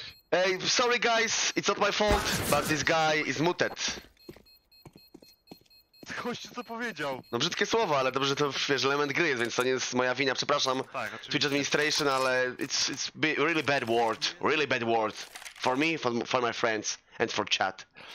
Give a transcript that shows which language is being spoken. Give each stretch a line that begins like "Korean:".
English: Ej, sorry guys, it's not my fault, but this guy is muted.
Polish: Kościół co powiedział? No brzydkie słowo, ale dobrze, że to wiesz, element gry jest, więc to nie jest moja wina, przepraszam. Tak,
English: Twitch administration,
Polish: ale
English: it's really bad word. Really bad word. For me, for my friends, and for chat.